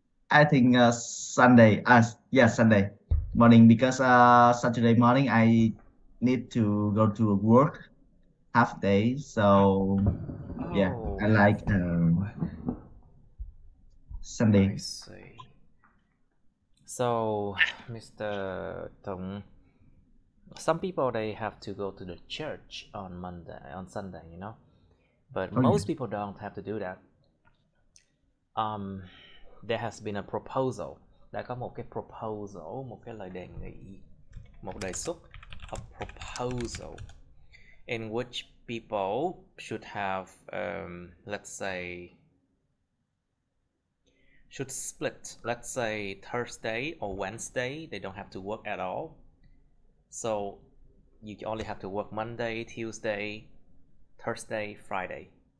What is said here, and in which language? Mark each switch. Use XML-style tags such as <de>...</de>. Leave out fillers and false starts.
<en>I think Sunday, Sunday morning, because Saturday morning, I need to go to work half day, so I like Sunday. I see. So, Mr. Tung, some people they have to go to the church on Sunday, you know, but most people don't have to do that. There has been a proposal.</en> <vi>Đã có một cái proposal, một cái lời đề nghị, một đề xuất. A proposal</vi> <en>in which people should have, let's say, should split, let's say Thursday or Wednesday, they don't have to work at all. So you only have to work Monday, Tuesday, Thursday, Friday.</en>